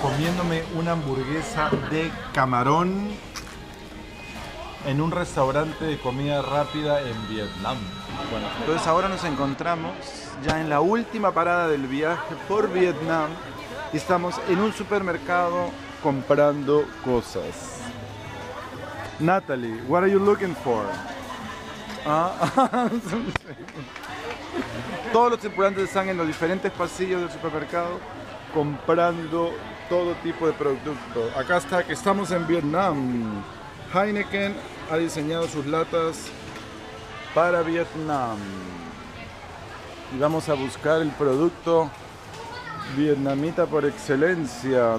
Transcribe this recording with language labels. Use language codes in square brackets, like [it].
[es] Comiéndome una hamburguesa de camarón en un restaurante de comida rápida en Vietnam. Bueno, entonces ahora nos encontramos ya en la última parada del viaje por Vietnam y estamos en un supermercado comprando cosas. [en] Natalie, what are you looking for? [es] Todos los tripulantes están en los diferentes pasillos del supermercado comprando todo tipo de producto. Acá está que estamos en Vietnam. Heineken ha diseñado sus latas para Vietnam y vamos a buscar el producto vietnamita por excelencia.